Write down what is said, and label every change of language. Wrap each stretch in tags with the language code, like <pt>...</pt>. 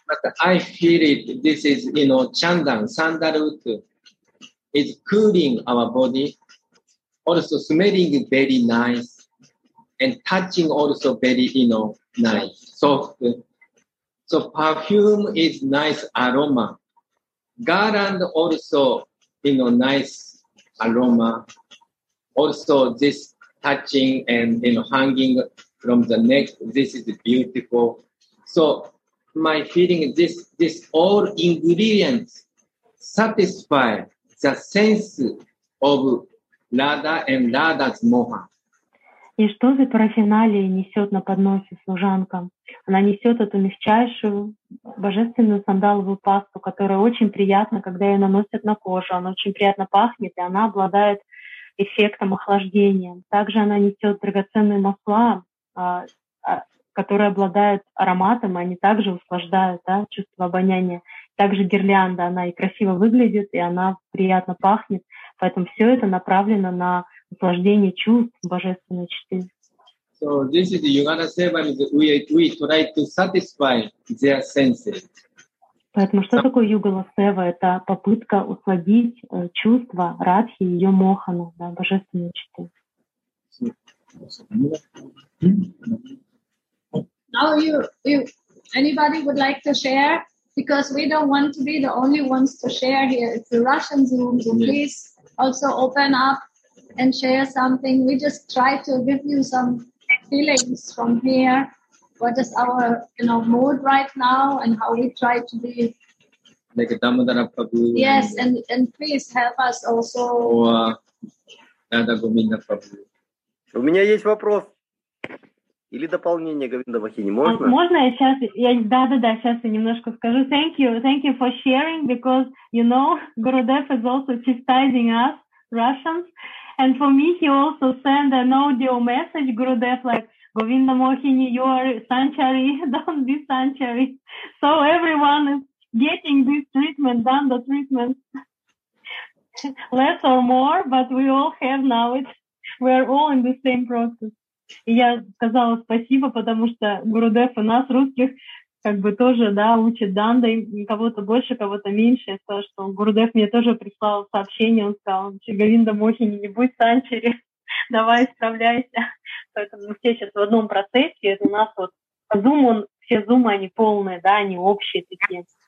<en>But I feel it. This is, you know, chandan, sandalwood. It's cooling our body. Also smelling very nice. And touching also very, you know, nice, soft. So perfume is nice aroma. Garland also, you know, nice aroma. Also this touching and, you know, hanging from the neck, this is beautiful. So my feeling is this all ingredients satisfy the sense of Radha and Radha's moha.</en> <ru>И что за парафиналии несет на подносе служанка? Она несет эту мягчайшую божественную сандаловую пасту, которая очень приятна, когда ее наносят на кожу. Она очень приятно пахнет, и она обладает эффектом охлаждения. Также она несет драгоценные масла, которые обладают ароматом, и они также услаждают, да, чувство обоняния. Также гирлянда, она и красиво выглядит, и она приятно пахнет. Поэтому все это направлено на услаждение чувств божественной чистоты.</ru> <en>So this is Yugana Seva, we try to satisfy their senses.</en> <ru>Поэтому что такое Югала Сева? Это попытка усладить чувства Радхи и ее мохану, да, божественной чистоты.</ru> <en>Now you, anybody would like to share? Because we don't want to be the only ones to share here. It's the Russian Zoom, so please also open up and share something. We just try to give you some feelings from here. What is our, you know, mood right now and how we try to be like a Damodara Prabhu. Yes, and please help us also.</en> <ru>У меня есть вопрос. Или дополнение, Говинда Вахини, можно? Можно я сейчас, да-да-да, сейчас я немножко скажу.</ru> <en>Thank you for sharing, because, you know, Gurudev is also chastising us, Russians. And for me, he also sent an audio message, Gurudev, like, Govinda Mohini, you are sanctuary, don't be sanctuary. So everyone is getting this treatment, done the treatment. Less or more, but we all have now it. We are all in the same process.</en> <ru>И я сказала спасибо, потому что Гурудев у нас, русских, как бы тоже, да, учит данды, кого-то больше, кого-то меньше. То, что Гурудев мне тоже прислал сообщение, он сказал, что Говинда Мохини, не будь санчари, давай исправляйся. Поэтому мы все сейчас в одном процессе, это у нас вот зум, он, все зумы, они полные, да, они общие такие.</ru>